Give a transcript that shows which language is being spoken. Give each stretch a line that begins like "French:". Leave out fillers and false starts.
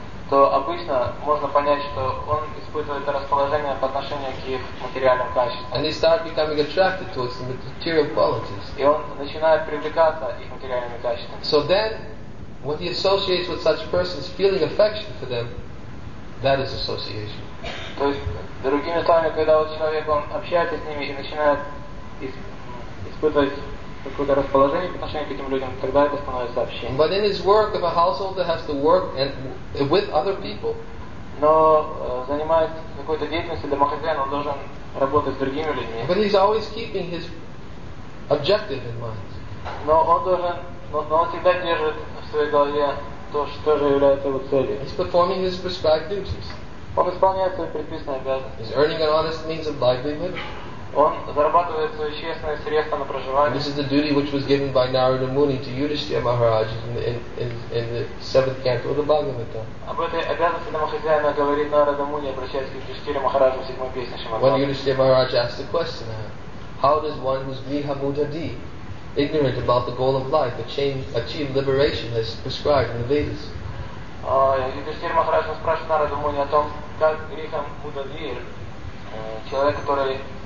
English: And they start becoming attracted towards the material qualities. So then, when he associates with such persons, feeling affection for them, that is association.
Russian: То есть, другими словами, когда вот человек, он общается с ними и начинает испытывать какое-то расположение по отношению к этим людям, тогда это становится общением.
English: But in his work, if a householder has to work and with other people,
Russian: но занимаясь какой-то деятельностью домохозяин, он должен работать с другими людьми.
English: But he's always keeping his objective in mind.
Russian: Но он всегда держит в своей голове то, что же является его целью.
English: He's performing his prescribed duties.
Russian: Он исполняет свои предписанные обязанности.
English: He's earning an honest means of livelihood.
Russian: Он зарабатывает свои честные средства на проживание.
English: This is the duty which was given by Narada Muni to Yudhishthira Maharaj in the seventh canto of the Bhagavad Gita.
Russian: Об этой обязанности домохозяина говорит Нарада Муни, обращаясь к Юдхиштхире Махараджу в седьмой песне Шримад Бхагаватам.
English: When Yudhishthira Maharaj asked the question, how does one who's griha mudhadi, ignorant about the goal of life, achieve liberation as prescribed in the Vedas?
Russian: Юдхиштхира Махараджа спрашивает Нарада Муни о том, как гриха мудхадхи, человек, который